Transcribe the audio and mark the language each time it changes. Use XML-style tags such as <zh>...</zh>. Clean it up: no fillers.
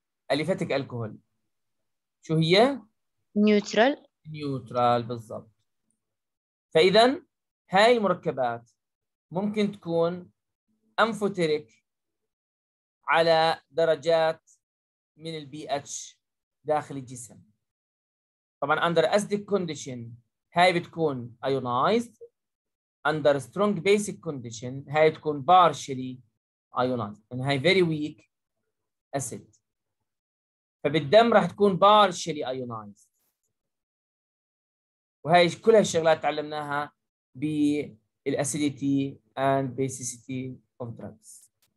<ar>أليفاتك الكحول شو هي؟</ar> <en>neutral.</en> <ar>neutral بالضبط. فإذن هاي المركبات ممكن تكون أنفوتيريك على درجات من البي اتش داخل الجسم. طبعا</ar> <en>under acidic condition</en> <ar>هاي بتكون</ar> <en>ionized, under strong basic condition</en> <ar>هاي تكون</ar> <en>partially ionized, and هاي very weak acid.</en> <ar>فبالدم راح تكون</ar> <en>partially ionized.</en> <ar>وهي كل هالشغلات تعلمناها بال</ar> <en>acidity and basicity of drugs.</en>